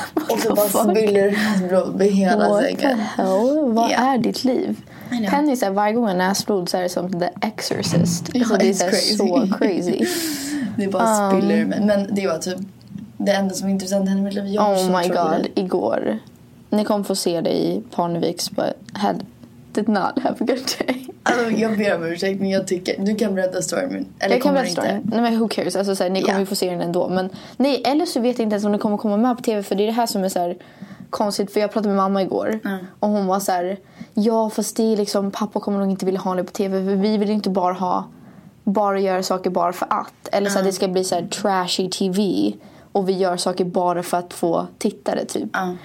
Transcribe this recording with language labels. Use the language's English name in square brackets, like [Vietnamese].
[Swedish] Och så bara spiller näsblod med hela sängen. [English] What the hell? [Swedish] Vad är ditt liv? Penny säger varje gång jag näsblod så är det som The Exorcist. [English] Yeah, [Swedish] så det är [English] crazy. [Swedish] Så crazy. Det bara spiller. Men det var typ det enda som är intressant hände i mitt liv. Jag [English] oh my god, [Swedish] det. Igår. Ni kommer få se det i Parneviks, [English] but had, did not have a good day. [Swedish] Alltså, jag ber om ursäkt, men jag tycker du kan berätta stormen. Eller jag kan berätta stormen. Nej, men [English] who cares? [Swedish] Alltså, såhär, ni kommer ju få se den ändå. Men, nej, eller så vet jag inte ens om ni kommer komma med på tv, för det är det här som är så här konstigt, för jag pratade med mamma igår och hon var så här, ja fast det är liksom, pappa kommer nog inte vilja ha det på tv, för vi vill inte bara ha, bara göra saker bara för att, eller så att det ska bli så här trashy tv och vi gör saker bara för att få tittare typ.